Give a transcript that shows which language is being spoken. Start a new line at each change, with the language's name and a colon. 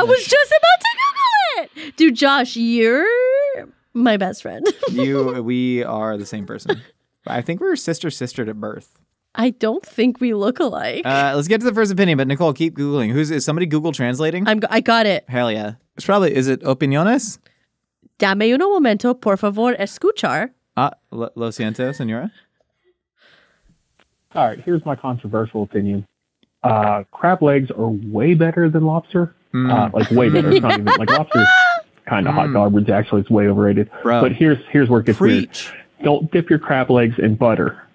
English: I was just about to Google it. Dude, Josh, you're my best friend. We are the same person. I think we're sister at birth. I don't think we look alike. Let's get to the first opinion, but Nicole, keep Googling. Is somebody Google translating? I got it. Hell yeah. Is it opiniones?
Spanish: Dame un momento, por favor, escuchar. Lo siento, señora.
English: All right, here's my controversial opinion. Crab legs are way better than lobster. Like way better. It's not even like lobster's kind of hot garbage. Actually, it's way overrated. Bro. But here's where it gets weird. Don't dip your crab legs in butter.